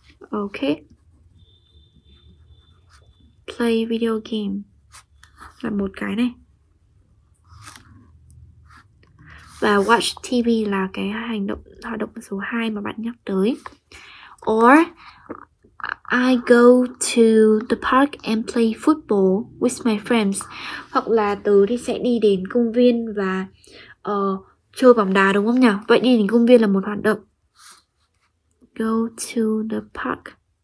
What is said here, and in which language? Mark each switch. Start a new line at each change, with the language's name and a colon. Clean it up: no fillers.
English: Ok. Play video game
Vietnamese: là một cái này. Và
English: watch TV
Vietnamese: là cái hoạt động số 2 mà bạn nhắc tới.
English: Or I go to the park and play football with my friends.
Vietnamese: Hoặc là từ thì sẽ đi đến công viên và chơi bóng đá, đúng không nhỉ? Vậy đi đến công viên là một hoạt động.
English: Go to the park.